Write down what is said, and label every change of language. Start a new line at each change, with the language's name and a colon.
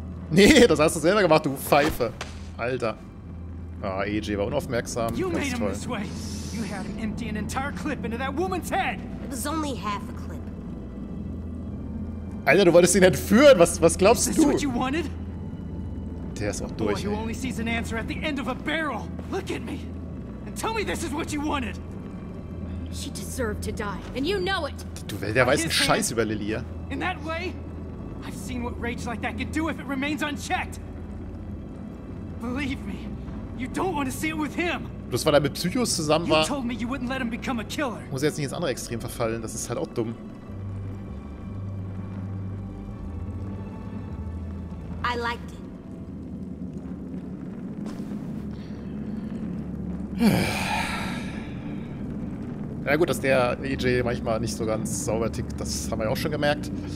German: Nee, das hast du selber gemacht, du Pfeife. Alter. Ah, oh, EJ war unaufmerksam.
English: You made him this way. You had him empty an entire clip into that woman's head. It was only half a clip.
German: Alter, du wolltest ihn entführen. Was glaubst
English: is
German: du?
English: What you wanted?
German: Der ist auch durch.
English: Boy, you only sees an answer at the end of a barrel. Look at me and tell me this is what you wanted. She deserved to die, and you know it.
German: Du, der weiß einen Scheiß über Lilia.
English: In that way, I've seen what rage like that can do if it remains unchecked. Believe me. You don't want to see it with him.
German: Das war da mit Psychos zusammen war.
English: You told me you wouldn't let him become a killer.
German: Muss jetzt nicht ins andere Extrem verfallen, das ist halt auch dumm.
English: I liked it.
German: Na ja, gut, dass der EJ manchmal nicht so ganz sauber tickt, das haben wir ja auch schon gemerkt.